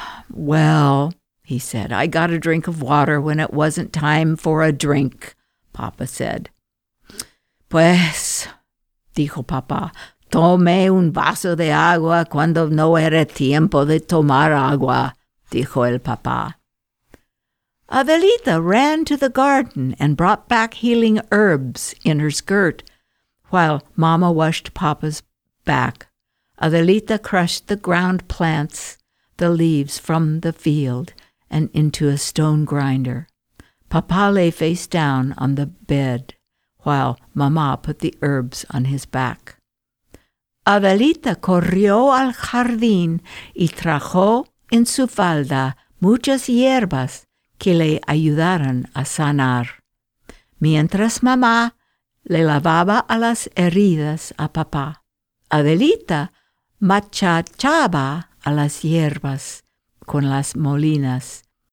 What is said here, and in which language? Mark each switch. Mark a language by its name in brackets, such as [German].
[English] Well, he said, I got a drink of water when it wasn't time for a drink, Papa said. [Spanish] Pues, dijo Papa, tomé un vaso de agua cuando no era tiempo de tomar agua. Dijo el papá. [English] Adelita ran to the garden and brought back healing herbs in her skirt while Mama washed Papa's back. Adelita crushed the ground plants, the leaves from the field, and into a stone grinder. Papa lay face down on the bed while Mama put the herbs on his back. [Spanish] Adelita corrió al jardín y trajo en su falda muchas hierbas que le ayudaron a sanar. Mientras mamá le lavaba a las heridas a papá, Adelita machachaba a las hierbas con las molinas.